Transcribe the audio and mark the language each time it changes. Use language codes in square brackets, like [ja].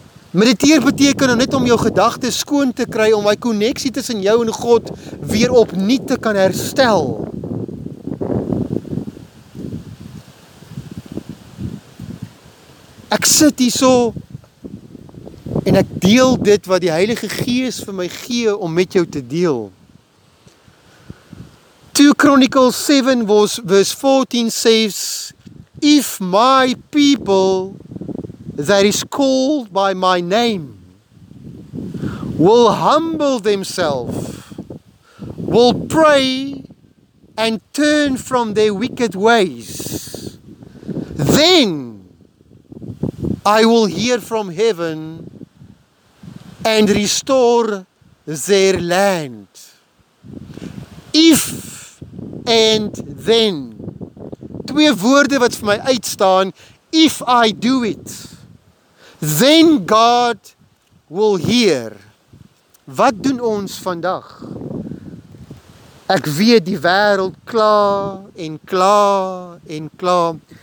[af] Mediteer beteken net om jou gedagtes skoon te kry, om my koneksie tussen jou en God weer opnuut te kan herstel. Ek sit hier so, en ek deel dit wat die Heilige Gees vir my gee om met jou te deel. 2 Chronicles 7 verse 14 says, if my people that is called by my name will humble themselves, will pray and turn from their wicked ways, then I will hear from heaven and restore their land. If and then. Twee woorde wat vir my uitstaan. [en] If I do it, then God will hear. [af] Wat doen ons vandag? Ek weet die wêreld kla en kla en kla.